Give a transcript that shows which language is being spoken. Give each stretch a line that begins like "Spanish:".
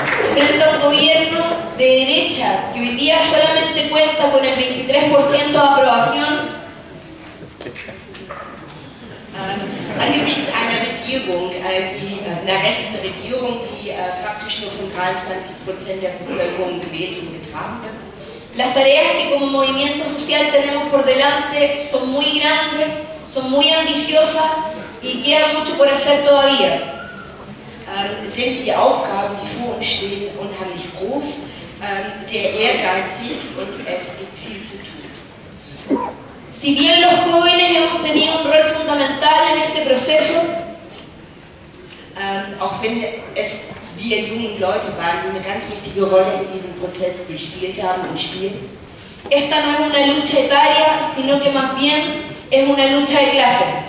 Spanish: Frente al gobierno de derecha, que hoy día solamente cuenta con el 23% de aprobación.
German: Angesichts einer Regierung, einer rechten Regierung, die faktisch nur von 23% der Bevölkerung gewählt und getragen wird.
Spanish: Las tareas que como movimiento social tenemos por delante son muy grandes, son muy ambiciosas y queda mucho por hacer todavía.
German: Sind die Aufgaben, die vor uns stehen, unheimlich groß, sehr ehrgeizig und es gibt viel zu tun.
Spanish: Si bien los jóvenes hemos tenido un rol fundamental en este proceso,
German: auch wenn es wir jungen Leute waren, die eine ganz wichtige Rolle in diesem Prozess gespielt haben und spielen,
Spanish: esta no es una lucha etaria, sino que más bien es una lucha de clase.